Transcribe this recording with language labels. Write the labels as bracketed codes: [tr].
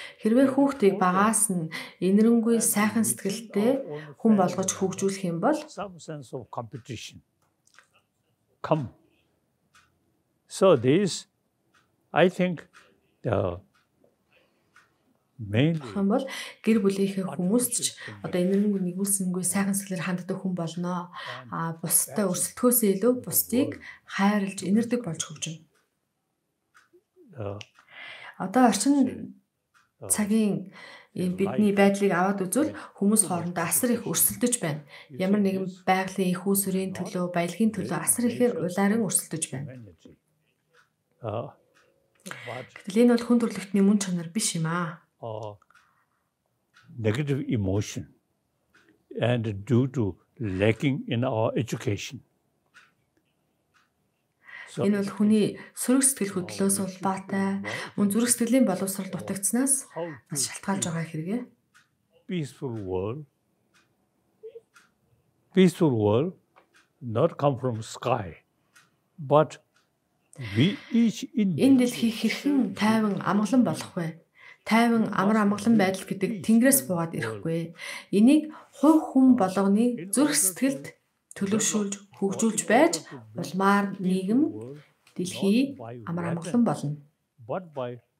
[mn] хэрвээ хүүхдийг багаас нь энэрэнгүй сайхан сэтгэлтэй хүн болгож хөгжүүлэх юм бол [en] competition come so this I think the mainly [mn] хэн бол гэр бүлийнхээ хүмүүст ч одоо энэрэнгүй нэгүүлсэнгүй сайхан сэтгэлээр ханддаг хүн болно а бусдад өрсөлдөхөөсөө илүү бусдыг хайрлж энэрдэг болж хөгжинө Одоо орчин цагийн бидний байдлыг аваад үзвэл хүмүүс хоорондоо асар их өрсөлдөж байна. Ямар нэгэн байгалийн их ус өрийн төлөө, баялагын төлөө асар ихээр улаан өрсөлдөж байна. Гэтэл энэ бол хүн төрөлхтний мөн чанар биш юм аа. [en] Negative emotion and due to lacking in our education. [mn] Энэ бол хүний сөрөг сэтгэл хөдлөлөөс улбаатай, мөн зүрх сэтгэлийн боловсрол дутагдсанаас бас шалтгаалж байгаа хэрэг ээ. [en] Peaceful world not come from sky, but we each in [mn] энэ дэлхий хэрхэн тайван амгалан болох вэ? Тайван амар амгалан байдал гэдэг тэнгэрээс буугаад ирэхгүй. Энийг хувь хүн болгоны зүрх сэтгэлд төлөвшүүлж хөгжүүлж байж улмаар нийгэм дэлхий амар амгалан болно.